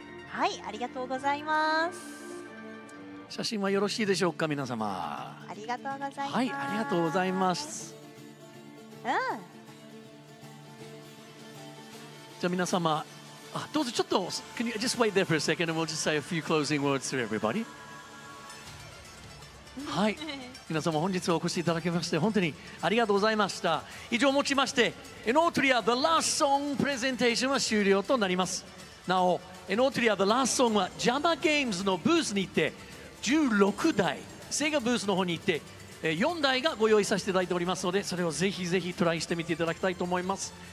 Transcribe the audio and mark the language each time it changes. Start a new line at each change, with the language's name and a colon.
Japanese: はい、ありがとうございます。写真はよろしいでしょうか皆様。ありがとうございます。はい、ありがとうございます。うん、じゃあ皆様、あ、どうぞちょっと
English: Can you just wait there for a second and we'll just say a few closing words to everybody?
Japanese: はい、皆様本日お越しいただきまして本当にありがとうございました。以上をもちましてエノートリア The Last Song Presentation は終了となります。なおエノートリアザラストソングはジャマゲームズのブースに行って16台セガブースの方に行って4台がご用意させていただいておりますので、それをぜひぜひトライしてみていただきたいと思います。